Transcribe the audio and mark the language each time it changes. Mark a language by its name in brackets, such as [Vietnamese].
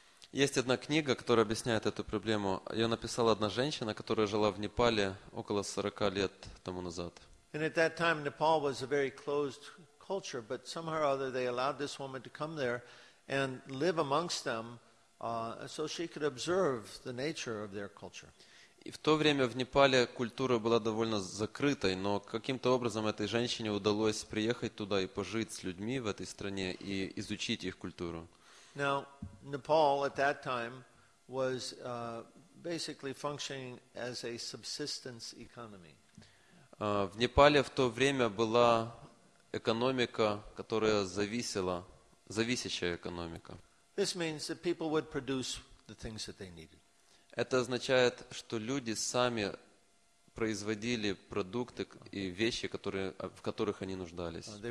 [Russian] Есть одна книга, которая объясняет эту проблему. Ее написала одна женщина, которая жила в Непале около 40 лет тому назад. [English] And at that time, Nepal was a very closed culture, but somehow or other they allowed this woman to come there and live amongst them, so she could observe the nature of their culture. [Russian] И в то время в Непале культура была довольно закрытой, но каким-то образом этой женщине удалось приехать туда и пожить с людьми в этой стране и изучить их культуру. [English] Now, Nepal at that time was basically functioning as a subsistence economy. [Russian] В Непале в то время была экономика, которая зависела, зависящая экономика. [English] This means that people would produce the things that they needed. [Russian] Это означает, что люди сами производили продукты и вещи, которые, в которых они нуждались.